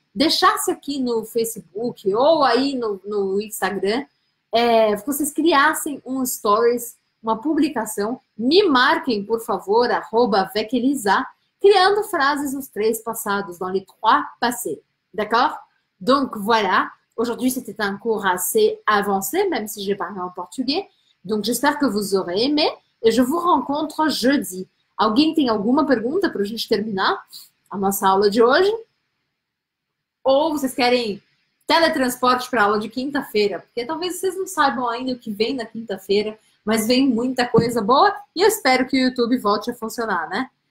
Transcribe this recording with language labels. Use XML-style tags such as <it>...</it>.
<pt>deixasse aqui no Facebook ou aí no Instagram, vocês criassem um stories, uma publicação, me marquem, por favor, @vecelisa, criando frases nos três passados,</pt> <fr>dans les trois passés. D'accord? Donc, voilà. Aujourd'hui, c'était un cours assez avancé, même si j'ai parlé en portugais. Donc, j'espère que vous aurez aimé. Et je vous rencontre jeudi.</fr> <pt>Alguém tem alguma pergunta para a gente terminar a nossa aula de hoje? Ou vocês querem teletransporte para a aula de quinta-feira? Porque talvez vocês não saibam ainda o que vem na quinta-feira, mas vem muita coisa boa e eu espero que o YouTube volte a funcionar, né?</pt>